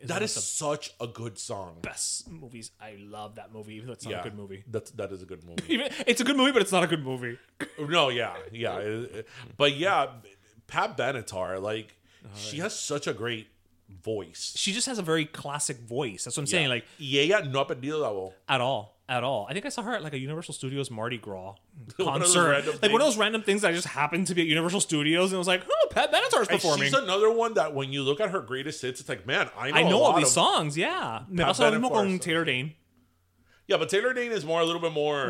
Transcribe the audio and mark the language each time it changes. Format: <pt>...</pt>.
<en>That is such a good song. Best movies. I love that movie, even though it's not a good movie. That is a good movie. It's a good movie, but it's not a good movie. No, yeah. But yeah, Pat Benatar, like, she has such a great voice. She just has a very classic voice. That's what I'm saying. Like,</en> <es>ella no ha perdido la voz.</es> <en>At all. I think I saw her at like a Universal Studios Mardi Gras concert. One of those random things that just happened to be at Universal Studios. And I was like, oh, Pat Benatar's performing. She's another one that when you look at her greatest hits, it's like, man, I know all these songs. Yeah. Taylor Dane. Yeah, but Taylor Dane is a little bit more.</en>